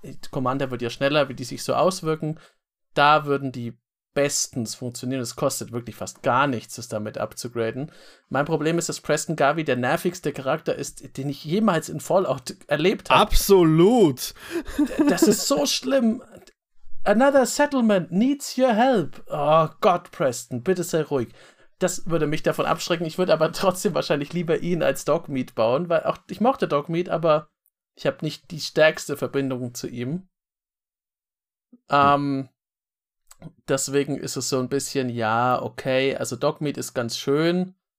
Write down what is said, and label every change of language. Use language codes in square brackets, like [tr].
[de] Commander wird ja schneller, wie die sich so auswirken. Da würden die bestens funktionieren. Es kostet wirklich fast gar nichts, es damit abzugraden. Mein Problem ist, dass Preston Garvey der nervigste Charakter ist, den ich jemals in Fallout erlebt habe. Absolut! Das ist so schlimm. [en] Another settlement needs your help. [de] Oh Gott, Preston, bitte sei ruhig. Das würde mich davon abschrecken. Ich würde aber trotzdem wahrscheinlich lieber ihn als Dogmeat bauen, weil auch ich mochte Dogmeat, aber ich habe nicht die stärkste Verbindung zu ihm. Deswegen ist es so ein bisschen, ja, okay, also Dogmeat ist ganz schön.